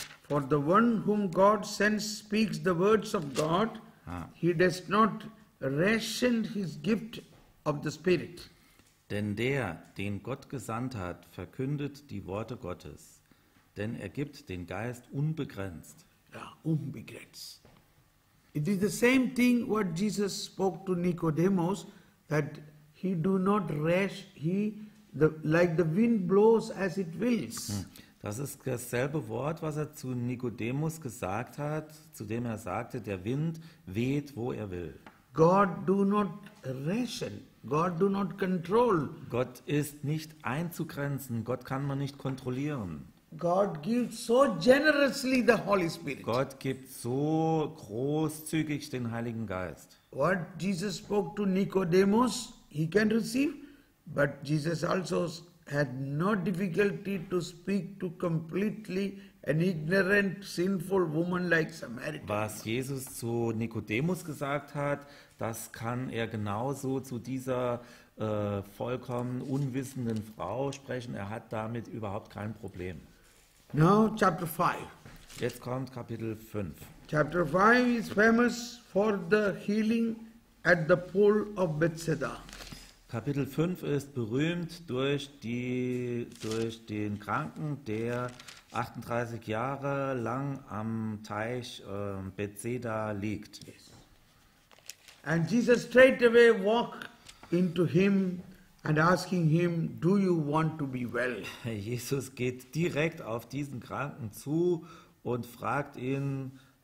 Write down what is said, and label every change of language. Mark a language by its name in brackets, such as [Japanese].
[English] For the one whom God sends speaks the words of God, he does not ration his gift of the Spirit. [German] Denn der, den Gott gesandt hat, verkündet die Worte Gottes, denn er gibt den Geist unbegrenzt. Ja, unbegrenzt. [English] It is the same thing what Jesus spoke to Nicodemus, that he do not rash, like the wind blows as it wills. [German] Das ist dasselbe Wort, was er zu Nicodemus gesagt hat, zu dem er sagte, der Wind weht, wo er will. [English] God do not ration. God do not control. [German] Gott ist nicht einzugrenzen. Gott kann man nicht kontrollieren. [English] God gives so generously the Holy Spirit. [German] Gott gibt so großzügig den Heiligen Geist. [English] What Jesus spoke to Nicodemus, he can receive, but Jesus also had no difficulty to speak to completely an ignorant, sinful woman like Samaritan. [German] Was Jesus zu Nicodemus gesagt hat, das kann er genauso zu dieser vollkommen unwissenden Frau sprechen. Er hat damit überhaupt kein Problem. [English] Now chapter 5. [German] Jetzt kommt Kapitel 5. [English] Chapter 5 is famous for the healing at the pool of Bethesda. [German] Kapitel 5 ist berühmt durch den Kranken, der 38 Jahre lang am Teich Bethesda liegt. [English] Yes. And Jesus straightaway walked into him and asking him, do you want to be well? [German] Jesus geht direkt auf diesen Kranken zu und fragt ihn,